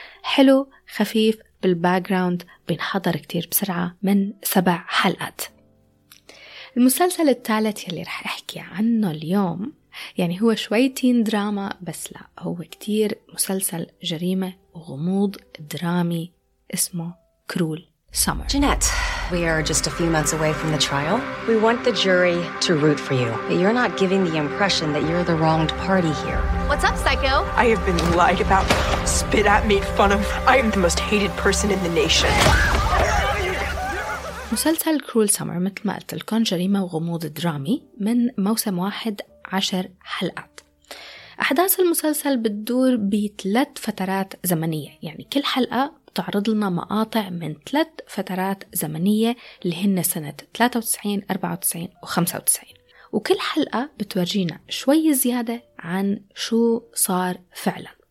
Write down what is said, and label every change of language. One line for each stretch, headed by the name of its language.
Arabic: حلو خفيف بالباكراوند، بينحضر كتير بسرعة من 7 حلقات. المسلسل الثالث يلي رح أحكي عنه اليوم، يعني هو شوي تين دراما، بس لا هو كتير مسلسل جريمة وغموض درامي، اسمه كرول سامر.
English: Jeanette, we are just a few months away from the trial. We want the jury to root for you, but you're not giving the impression that you're the wronged party here. What's up, psycho? I have been lied about, spit at, made fun of. I am the most hated person in the nation.
Arabic: مسلسل كرول سامر مثل ما قلت لكم جريمة وغموض درامي، من موسم واحد 10 حلقات. أحداث المسلسل بتدور ب3 فترات زمنية، يعني كل حلقة بتعرض لنا مقاطع من 3 فترات زمنية اللي هن سنة 93، 94 و95، وكل حلقة بتورجينا شوي زيادة عن شو صار فعلا.